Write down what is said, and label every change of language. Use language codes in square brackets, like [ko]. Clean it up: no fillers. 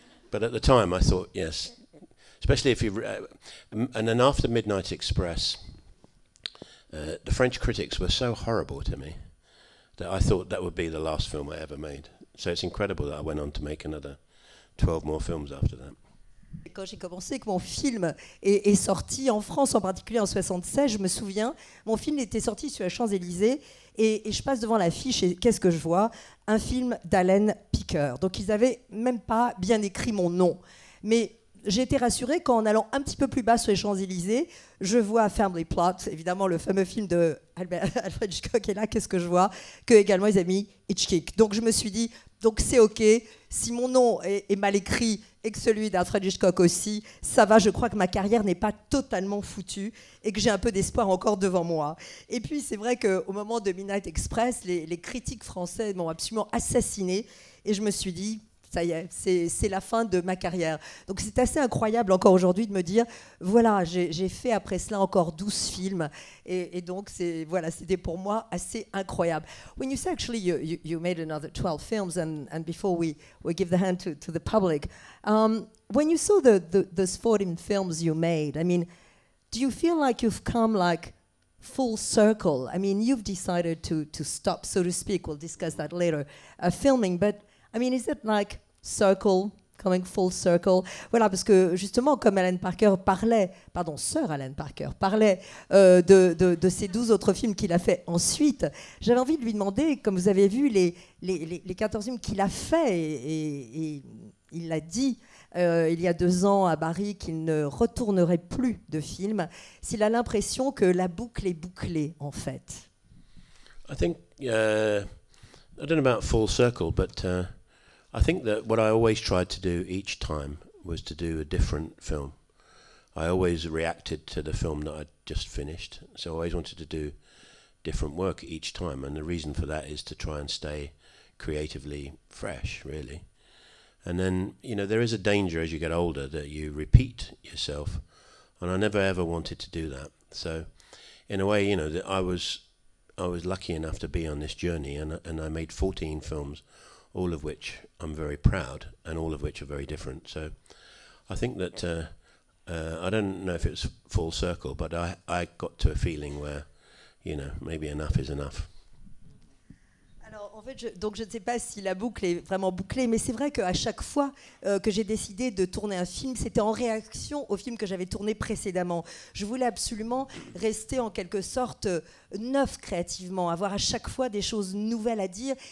[en] But at the time, I thought, yes, especially if you... And then after Midnight Express, the French critics were so horrible to me that I thought that would be the last film I ever made. So it's incredible that I went on to make another 12 more films after that. [fr] Quand j'ai commencé, que mon film est sorti en France, en particulier en 76, je me souviens, mon film était sorti sur la Champs-Élysées et je passe devant l'affiche et qu'est-ce que je vois ? Un film d'Alan Paker. Donc ils n'avaient même pas bien écrit mon nom. Mais j'ai été rassurée quand en allant un petit peu plus bas sur les Champs-Élysées, je vois Family Plot, évidemment le fameux film de Alfred Hitchcock est là, qu'est-ce que je vois ? Que également ils ont mis Hitchcock. Donc je me suis dit, donc c'est OK, si mon nom est mal écrit et que celui d'Alfred Hitchcock aussi, ça va, je crois que ma carrière n'est pas totalement foutue et que j'ai un peu d'espoir encore devant moi. Et puis, c'est vrai qu'au moment de Midnight Express, les critiques françaises m'ont absolument assassiné et je me suis dit, ça y est, c'est la fin de ma carrière. Donc, c'est assez incroyable encore aujourd'hui de me dire, voilà, j'ai fait après cela encore 12 films et donc, c'est, voilà, c'était pour moi assez incroyable. [en] When you say actually you made another 12 films and before we give the hand to the public, when you saw those 14 films you made, I mean, do you feel like you've come like full circle? I mean, you've decided to stop, so to speak, we'll discuss that later, filming, but I mean, is it like circle, coming full circle? [fr] Voilà, parce que justement, comme Alan Paker parlait, pardon, Sir Alan Paker parlait de ces 12 autres films qu'il a fait ensuite, j'avais envie de lui demander, comme vous avez vu, les 14 films qu'il a fait et il l'a dit il y a 2 ans à Barry qu'il ne retournerait plus de films, s'il a l'impression que la boucle est bouclée, en fait. [en] I think... I don't know about full circle, but I think that what I always tried to do each time was to do a different film. I always reacted to the film that I'd just finished, so I always wanted to do different work each time, and the reason for that is to try and stay creatively fresh, really. And then, you know, there is a danger as you get older that you repeat yourself, and I never ever wanted to do that. So, in a way, you know, that I was lucky enough to be on this journey, and I made 14 films, all of which I'm very proud, and all of which are very different. So I think that, I don't know if it's full circle, but I got to a feeling where, you know, maybe enough is enough. [fr] En fait, je ne sais pas si la boucle est vraiment bouclée, mais c'est vrai qu'à chaque fois que j'ai décidé de tourner un film, c'était en réaction au film que j'avais tourné précédemment. Je voulais absolument rester en quelque sorte neuf créativement, avoir à chaque fois des choses nouvelles à dire.